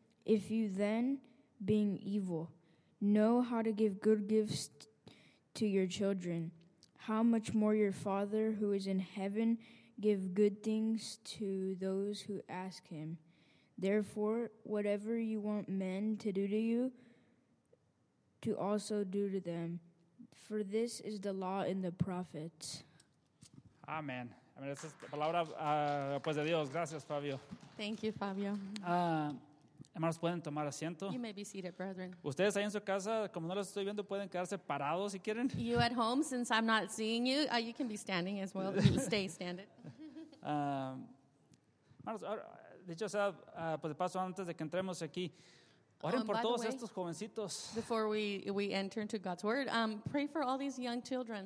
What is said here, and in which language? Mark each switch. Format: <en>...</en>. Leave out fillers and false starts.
<en>If you then, being evil, know how to give good gifts to your children, how much more your Father who is in heaven give good things to those who ask him. Therefore, whatever you want men to do to you, to also do to them. For this is the law and the prophets. Amen. Amen.</en> <es>Esa es la palabra pues de Dios. Gracias, Fabio.</es> <en>Thank you, Fabio.</en> <es>Hermanos, pueden tomar asiento.</es> <en>You may be seated, brethren.</en> <es>Ustedes ahí en su casa, como no los estoy viendo, pueden quedarse parados si quieren.</es> <en>You at home, since I'm not seeing you, you can be standing as well. Stay standing.</en> <es>Hermanos, dicho sea, pues de paso, antes de que entremos aquí, oren por todos estos jovencitos.</es> <en>Before we enter into God's word, pray for all these young children.</en>